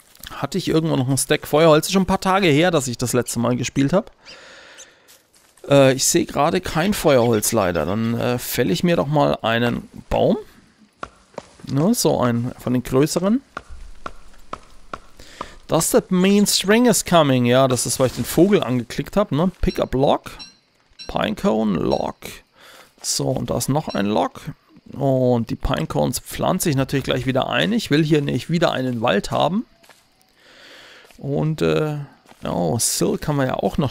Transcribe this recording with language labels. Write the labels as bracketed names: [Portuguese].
[German] Hatte ich irgendwo noch einen Stack Feuerholz? Ist schon ein paar Tage her, dass ich das letzte Mal gespielt habe. Ich sehe gerade kein Feuerholz leider. Dann fälle ich mir doch mal einen Baum. Nur so ein von den größeren. [English] Does that mean spring is coming? [German] Ja, das ist, weil ich den Vogel angeklickt habe, ne? [English] Pick up log. Pinecone log. [German] So, und da ist noch ein log. Und die Pinecones pflanze ich natürlich gleich wieder ein. Ich will hier nicht wieder einen Wald haben. Und, Silk haben wir ja auch noch.